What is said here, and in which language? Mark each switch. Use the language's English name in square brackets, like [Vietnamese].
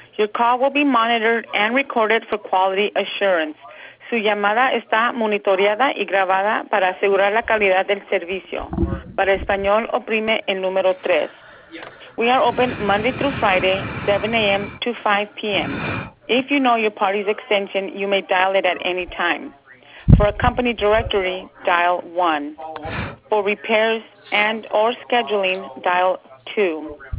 [English] Your call will be monitored and recorded for quality assurance. [Spanish] Su llamada está monitoreada y grabada para asegurar la calidad del servicio. Para español, oprime el número 3. [English] We are open Monday through Friday, 7 a.m. to 5 p.m. If you know your party's extension, you may dial it at any time. For a company directory, dial 1. For repairs and or scheduling, dial 2.